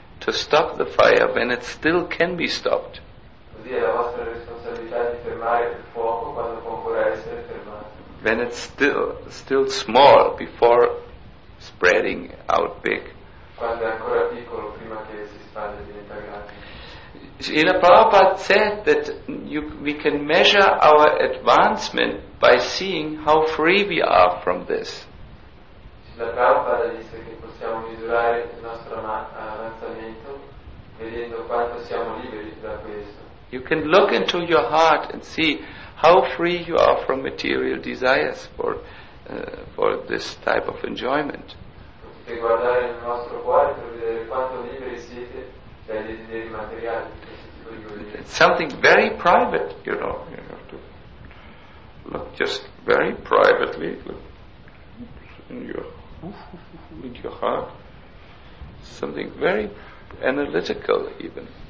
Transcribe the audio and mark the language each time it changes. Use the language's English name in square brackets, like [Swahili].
[English] to stop the fire when it still can be stopped. [Italian] Così è la vostra responsabilità di fermare il fuoco quando può ancora essere fermato. [English] When it's still small before spreading out big. [Italian] Quando è ancora piccolo prima che si spalda e diventa grande. [English] Srila Prabhupada said that we can measure our advancement by seeing how free we are from this. [Italian] Srila Prabhupada disse che possiamo misurare il nostro avanzamento vedendo quanto siamo liberi da questo. [English] You can look into your heart and see how free you are from material desires for this type of enjoyment. [Italian] Potete guardare il nostro cuore per vedere quanto liberi siete dai desideri materiali. [English] It's something very private, you know. You have to look just very privately in your heart. Something very analytical, even.